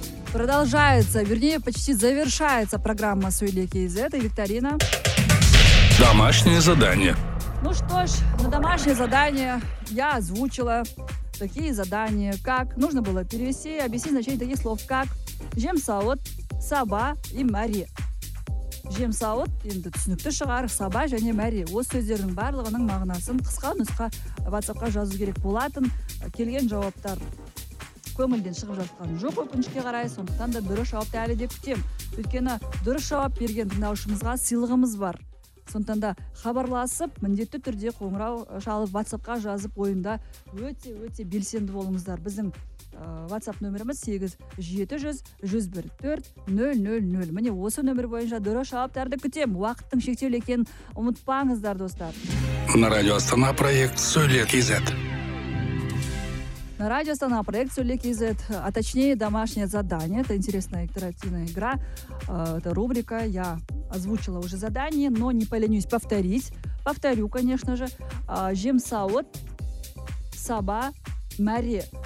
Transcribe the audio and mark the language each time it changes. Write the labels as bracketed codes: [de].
[ru] Продолжается, вернее, почти завершается программа «Суйлия Кейзет» и «Викторина». Домашнее задание. Ну что ж, на домашнее задание я озвучила такие задания, как нужно было перевести и объяснить значение таких слов, как «жемсауд», «саба» и «мари». [kk] «Жемсауд» — это түсінікті шығар, «саба» және «мари». Осы сөздерінің барлығының мағынасын қысқа нұсқа WhatsApp-қа жазу керек болатын, келген жауаптар көңілден шығып жатқан жоқ өкінішке қарай, сондықтан да дұрыс жауапты әлі де күтем. Өйткені дұрыс жауап берген тыңдаушымызға сыйлығымыз бар. Сондықтан да хабарласып, міндетті түрде қоңырау шалып, WhatsApp-қа жазып ойында өте-өте белсенді болыңыздар. Біздің WhatsApp нөміріміз 8-700-101-4-000. Міне осы нөмір бойынша дұрыс жауаптарды күтем. Уақыттың шектеулі екенін ұмытпаңыздар, достар. [ru] На радио Астана проект «Сөйле кезет». На радио Астана проект «Сөйле кезет», а точнее «Домашнее задание». Это интересная интерактивная игра. Это рубрика. Я озвучила уже задание, но не поленюсь повторить. Повторю, конечно же. «Жемсауд», «саба», «мари».